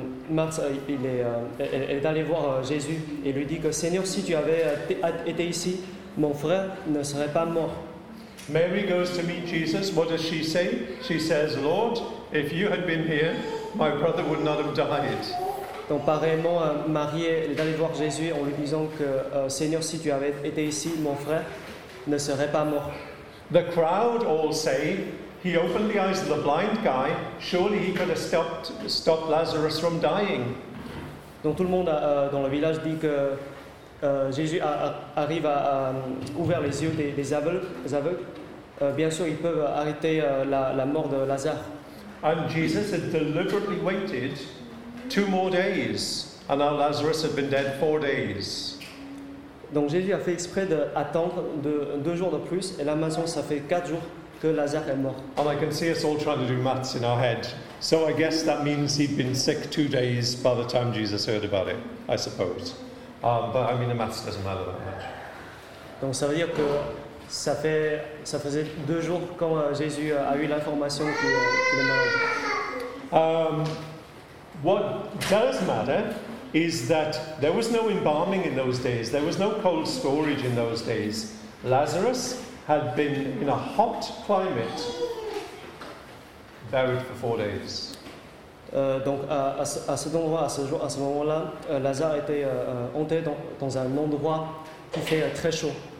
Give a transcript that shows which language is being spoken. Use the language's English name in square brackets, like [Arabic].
[French] Martha, elle est allée voir Jésus, et lui dit que, Seigneur, si tu avais été ici, mon frère ne serait pas mort. [English] Mary goes to meet Jesus. What does she say? She says, Lord, if you had been here, my brother would not have died. [French] Donc, pareillement, Marie est allée voir Jésus en lui disant que, Seigneur, si tu avais été ici, mon frère ne serait pas mort. [English] The crowd all say, he opened the eyes of the blind guy, surely he could have stopped Lazarus from dying. [French] Donc, tout le monde dans le village dit que Jésus arrive à ouvrir les yeux des aveugles. Bien sûr, ils peuvent arrêter la mort de Lazare. [English] And Jesus had deliberately waited 2 more days, and now Lazarus had been dead 4 days. [French] Donc Jésus a fait exprès d'attendre de 2 jours de plus, et l'Amazon ça fait 4 jours que Lazare est mort. [English] And I can see us all trying to do maths in our head. So I guess that means he'd been sick 2 days by the time Jesus heard about it, I suppose. But I mean, the maths doesn't matter that much. [French] Donc ça veut dire que ça faisait 2 jours quand Jésus a eu l'information qu'il est malade. [English] What does matter is that there was no embalming in those days. There was no cold storage in those days. Lazarus had been in a hot climate, buried for 4 days. [French] Donc à ce moment-là, Lazare était enterré dans un endroit qui fait très chaud.